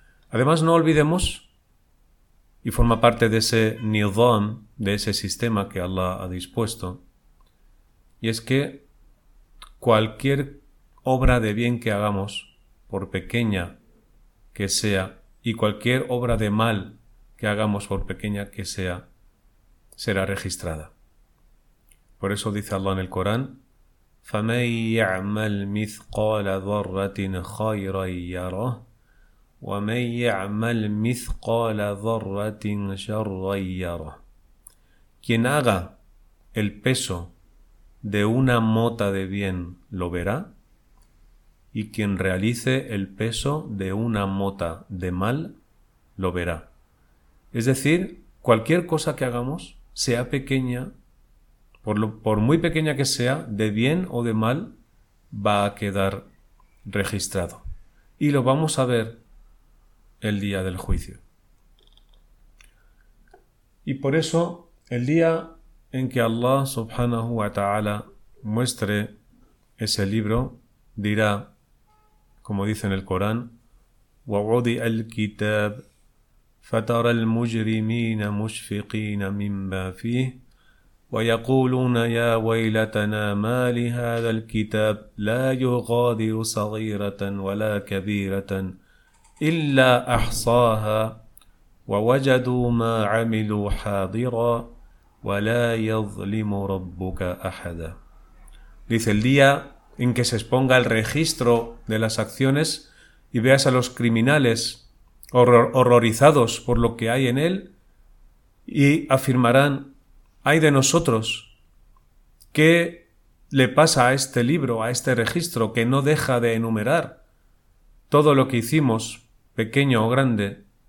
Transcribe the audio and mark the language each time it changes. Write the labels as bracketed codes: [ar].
[es] Además, no olvidemos, y forma parte de ese nizam, de ese sistema que Allah ha dispuesto, y es que cualquier obra de bien que hagamos, por pequeña que sea, y cualquier obra de mal que hagamos, por pequeña que sea, será registrada. Por eso dice Allah en el Corán: [ar] فَمَنْ يَعْمَلْ مِثْقَالَ ذَرَّةٍ خَيْرًا يَرَهُ وَمَنْ يَعْمَلْ مِثْقَالَ ذَرَّةٍ شَرًّا يَرَهُ. [es] Quien haga el peso de una mota de bien lo verá, y quien realice el peso de una mota de mal, lo verá. Es decir, cualquier cosa que hagamos, sea pequeña, por muy pequeña que sea, de bien o de mal, va a quedar registrado. Y lo vamos a ver el día del juicio. Y por eso, el día en que Allah subhanahu wa ta'ala muestre ese libro, dirá, como dice en el Corán: [ar] ووضع الكتاب فترى المجرمين مشفقين مما فيه ويقولون يا ويلتنا ما لهذا الكتاب لا يغادر صغيرة ولا كبيرة إلا أحصاها ووجدوا ما عملوا حاضرا ولا يظلم ربك أحدا. [es] Dice: el día en que se exponga el registro de las acciones y veas a los criminales horrorizados por lo que hay en él y afirmarán: ¡ay de nosotros! ¿Qué le pasa a este libro, a este registro, que no deja de enumerar todo lo que hicimos, pequeño o grande?